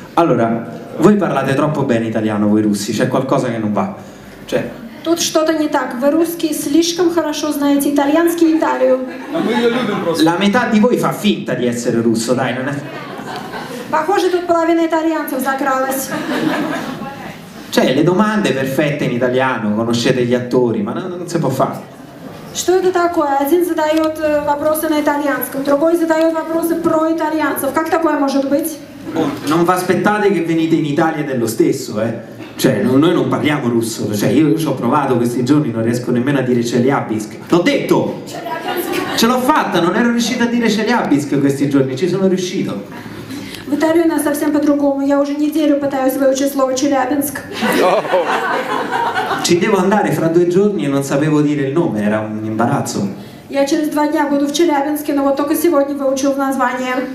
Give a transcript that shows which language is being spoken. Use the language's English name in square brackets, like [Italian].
[Italian] Allora, voi parlate troppo bene italiano, voi russi, c'è qualcosa che non va. Cioè, [Russian] тут что-то не так. Вы русские слишком хорошо знаете итальянский и Италию. [Italian] La metà di voi fa finta di essere russo, dai, non è... [Russian] Похоже, тут половина итальянцев закралась. [Italian] Cioè, le domande perfette in italiano, conoscete gli attori, ma non si può fare. [Russian] Что это такое? Один задает вопросы на итальянском, другой задает вопросы про итальянцев. Как такое может быть? [Italian] Non vi aspettate che venite in Italia dello stesso, Cioè, noi non parliamo russo, cioè io ci ho provato questi giorni, non riesco nemmeno a dire Chelyabinsk. L'ho detto! Ce l'ho fatta, non ero riuscito a dire Chelyabinsk questi giorni, ci sono riuscito. [Russian] В Италии у нас совсем по-другому. Я уже неделю пытаюсь выучить слово Челябинск. [Italian] Ci devo andare fra due giorni e non sapevo dire il nome, era un imbarazzo. [Russian] Я через два дня буду в Челябинске, но вот только сегодня выучил название.